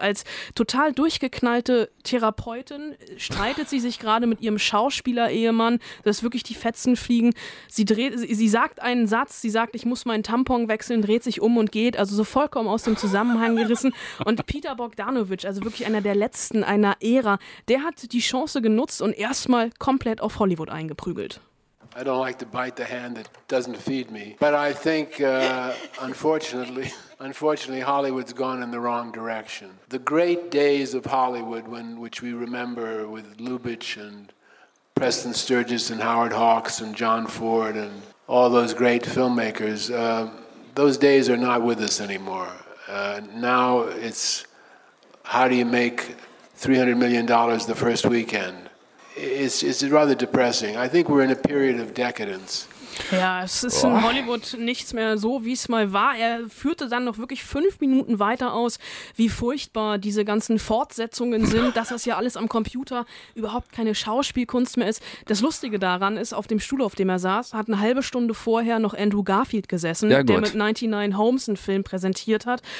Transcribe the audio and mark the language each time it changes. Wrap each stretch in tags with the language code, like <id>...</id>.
<de>Als total durchgeknallte Therapeutin streitet sie sich gerade mit ihrem Schauspieler-Ehemann, dass wirklich die Fetzen fliegen. Sie sagt, ich muss meinen Tampon wechseln, dreht sich um und geht. Also so vollkommen aus dem Zusammenhang gerissen. Und Peter Bogdanovich, also wirklich einer der letzten einer Ära, der hat die Chance genutzt und erstmal komplett auf Hollywood eingeprügelt.</de> <en>I don't like to bite the hand that doesn't feed me. But I think unfortunately Hollywood's gone in the wrong direction. The great days of Hollywood, which we remember with Lubitsch and Preston Sturges and Howard Hawks and John Ford and all those great filmmakers, those days are not with us anymore. Now it's how do you make $300 million the first weekend? is rather depressing. I think we're in a period of decadence.</en> <de>Ja, es ist in Hollywood nichts mehr so, wie es mal war. Er führte dann noch wirklich 5 Minuten weiter aus, wie furchtbar diese ganzen Fortsetzungen sind, dass das ja alles am Computer überhaupt keine Schauspielkunst mehr ist. Das Lustige daran ist, auf dem Stuhl, auf dem er saß, hat eine halbe Stunde vorher noch Andrew Garfield gesessen, der mit 99 Homes einen Film präsentiert hat.</de>